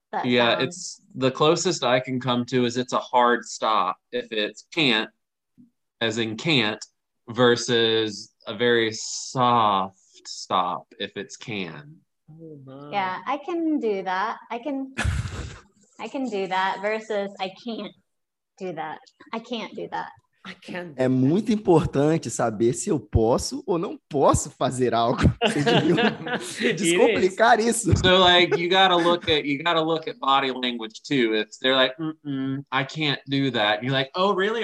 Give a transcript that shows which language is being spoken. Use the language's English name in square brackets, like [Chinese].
[English] It's the closest I can come to is it's a hard stop if it's can't, as in can't, versus a very soft stop if it's can. Oh, yeah, I can do that. I can do that versus I can't do that. I can't do that. I can't. [Portuguese] É muito importante saber se eu posso ou não posso fazer algo. Descomplicar isso. [English] So like you gotta look at body language too. If they're like, I can't do that, you're like, oh really?